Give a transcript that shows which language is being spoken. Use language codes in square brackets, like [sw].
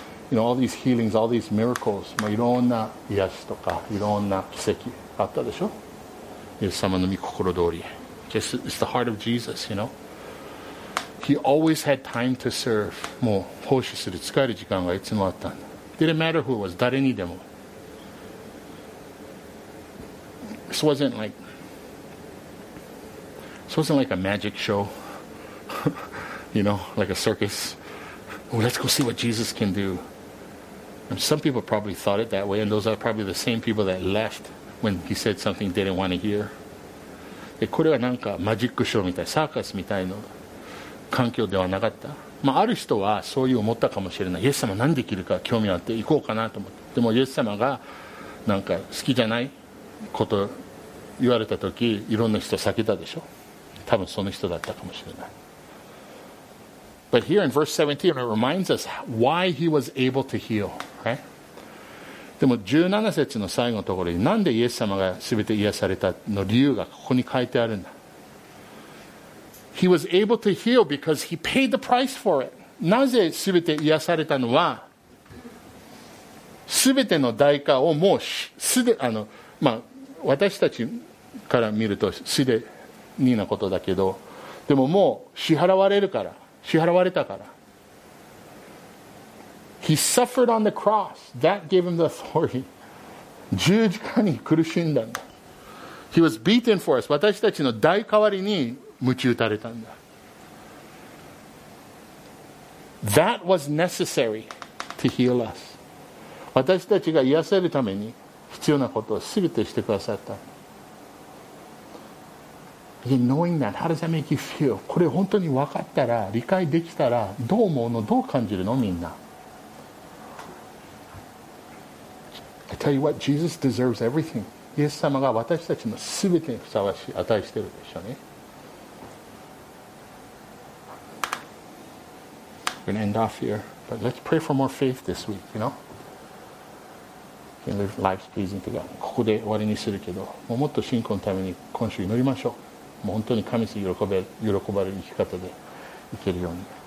[en] You know, all these healings, all these miracles, [ja] まあ、いろんな癒しとか、いろんな奇跡あったでしょ？イエス様の御心通り。 [en] It's the heart of Jesus, you know? He always had time to serve. [ja] もう奉仕する、使える時間がいつもあった。 [en] Didn't matter who it was, [ja] 誰にでも。 [en] This wasn't like a magic show, you know, like a circus. Oh, let's go see what Jesus can do. Some people probably thought it that way, and those are probably the same people that left when he said something they didn't want to hear. [ja] これはなんかマジックショーみたい、サーカスみたいな環境ではなかった。まあ、ある人はそういう思ったかもしれない。イエス様何できるか興味あって行こうかなと思って。でもイエス様がなんか好きじゃないこと言われた時、いろんな人避けたでしょ。多分その人だったかもしれない。 [en] But here in verse 17, it reminds us why he was able to heal, right? [ja] でも17節の最後のところに、なんでイエス様が全て癒されたの理由がここに書いてあるんだ。 [en] He was able to heal because he paid the price for it. [ja] なぜ全て癒されたのは、全ての代価をもうすで、あの、まあ、私たちから見るとすでになことだけど、でももう支払われるから。支払われたから。 [en] He suffered on the cross. That gave him the authority. [ja] 十字架に苦しんだんだ。 [en] He was beaten for us. [ja] 私たちの代替わりに鞭打たれたんだ。 [en] That was necessary to heal us. [ja] 私たちが癒せるために必要なことを全てしてくださった。 [en] Knowing that, how does that make you feel? [ja] これ本当に分かったら、理解できたら、どう思うの、どう感じるの、みんな。 [en] I tell you what, Jesus deserves everything. [ja] イエス様が私たちの全てにふさわしい値してるでしょうね。 [en] We're going to end off here, but let's pray for more faith this week, you know? We can live lives pleasing to God. [ja] ここで終わりにするけど、もっと信仰のために今週祈りましょう。もう本当に神様に喜ばれる生き方で生けるように。